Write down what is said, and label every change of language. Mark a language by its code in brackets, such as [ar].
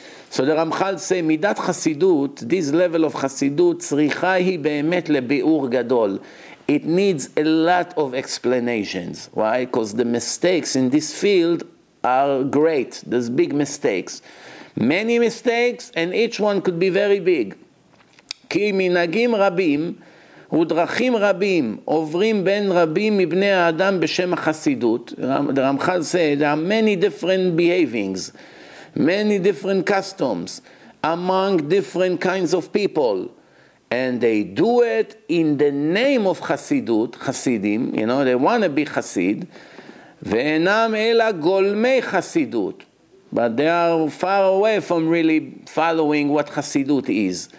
[en] So the Ramchal say, [he] Midat Chassidut, [en] this level of Chassidut, [he] tzricha hi be'emet lebi'ur gadol. [en] It needs a lot of explanations. Why? Because the mistakes in this field are great. There's big mistakes. Many mistakes, and each one could be very big. [he] כי מנהגים רבים ודרכים רבים עוברים בין רבים מבני האדם בשם החסידות. [en] רמח"ל said, there are many different behavings, many different customs among different kinds of people. And they do it in the name of Hasidut, Hasidim, you know, they want to be Hasid. [he] Ve'enam ela golmei Hasidut. [en] But they are far away from really following what Hasidut is.